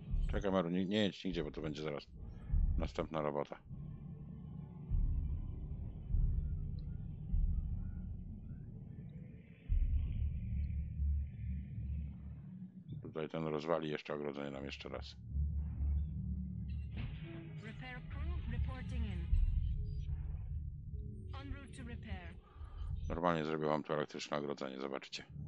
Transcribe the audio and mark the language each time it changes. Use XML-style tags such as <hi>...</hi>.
<pl>Czekaj, Maru, nie jedź nigdzie, bo to będzie zaraz następna robota. Tutaj ten rozwali jeszcze ogrodzenie nam jeszcze raz.</pl> <en>Repair crew reporting in. En route to repair.</en> <pl>Normalnie zrobię wam tu elektryczne ogrodzenie, zobaczycie.</pl>